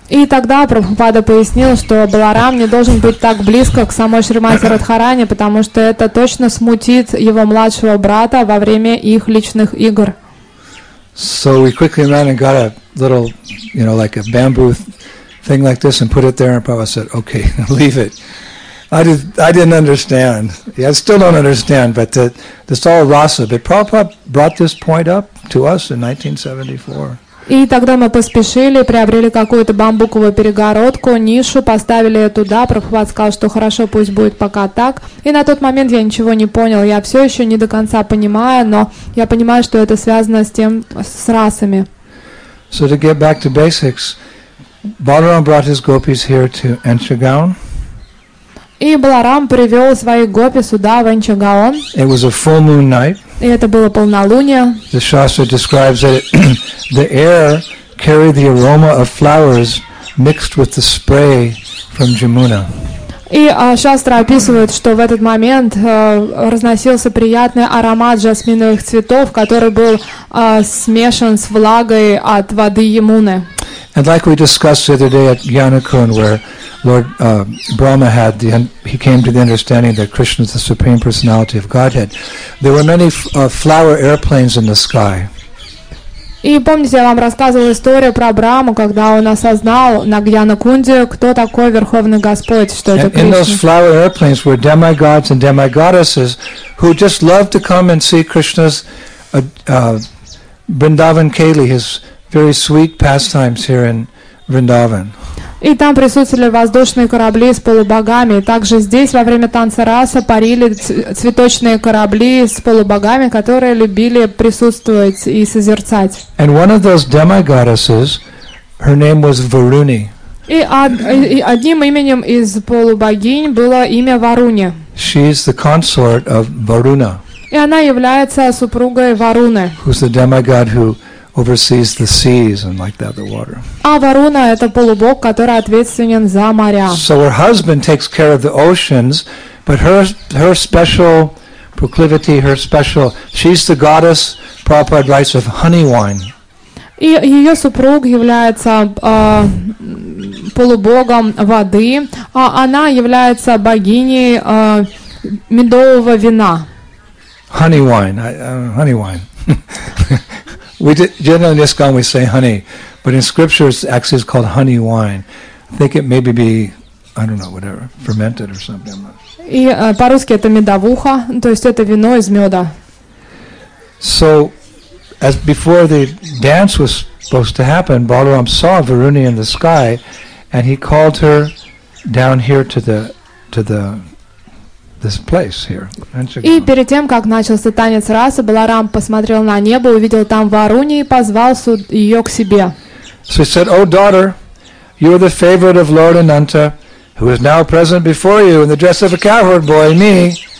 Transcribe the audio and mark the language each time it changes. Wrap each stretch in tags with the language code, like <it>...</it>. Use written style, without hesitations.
<ru>И тогда Прабхупада пояснил, что Баларам не должен быть так близко к самой Шримати Радхарани, потому что это точно смутит его младшего брата во время их личных игр.</ru> <en>So we quickly ran and got a little, you know, like a bamboo thing like this and put it there, and Prabhupada said, "Okay, leave it." I didn't understand. Yeah, I still don't understand, but it's all rasa. But Prabhupada brought this point up to us in 1974.</en> <ru>И тогда мы поспешили, приобрели какую-то бамбуковую перегородку, нишу, поставили ее туда. Прабхупада сказал, что хорошо, пусть будет пока так. И на тот момент я ничего не понял. Я все еще не до конца понимаю, но я понимаю, что это связано с тем, с расами.</ru> <en>So to get back to basics, Balaram brought his gopis here to Enchagaon.</en> <ru>И Баларам привел свои гопи сюда, в Энчагаон.</ru> <en>It was a full moon night.</en> <ru>И это было полнолуние.</ru> <en>The Shastra describes that the air carried the aroma of flowers mixed with the spray from Jamuna.</en> <ru>И Шастра описывает, что в этот момент разносился приятный аромат жасминовых цветов, который был смешан с влагой от воды Ямуны.</ru> <en>And like we discussed the other day at Gyanakun, where Lord Brahma had the, he came to the understanding that Krishna is the Supreme Personality of Godhead. There were many flower airplanes in the sky.</en> <ru>И помните, я вам рассказывал историю про Брахму, когда он осознал на Гьянакунде, кто такой Верховный Господь, что это Кришна.</ru> <en>In those flower airplanes were demigods and demigoddesses who just loved to come and see Krishna's Vrindavan Keli, his very sweet pastimes here in Vrindavan.</en> <ru>И там присутствовали воздушные корабли с полубогами. Также здесь во время танца раса парили цветочные корабли с полубогами, которые любили присутствовать и созерцать.</ru> <en>And one of those demigoddesses, her name was Varuni.</en> <ru>И одним именем из полубогинь было имя Варуни.</ru> <en>She's the consort of Varuna.</en> <ru>И она является супругой Варуны.</ru> <en>Who's the demigod who oversees the seas and like that the water.</en> <ru>А Варуна это полубог, который ответственен за моря.</ru> <en>So her husband takes care of the oceans, but her special proclivity, her special, she's the goddess, Prabhupada writes, of honey wine.</en> <ru>И ее супруг является полубогом воды, а она является богиней медового вина.</ru> <en>Honey wine, honey wine. We generally in ISKCON we say honey, but in scriptures actually it's called honey wine. I think it maybe be, I don't know, whatever, fermented or something.</en> <ru>И по-русски это медовуха, то есть это вино из меда.</ru> <en>So, as before the dance was supposed to happen, Balaram saw Varuni in the sky, and he called her down here to the this place here.</en> <ru>И перед тем, как начался танец расы, Баларам посмотрел на небо, увидел там Варуни и позвал ее к себе.</ru> <en>So he said, "O daughter, you are the favorite of Lord Ananta, who is now present before you in the dress of a cowherd boy, me.</en>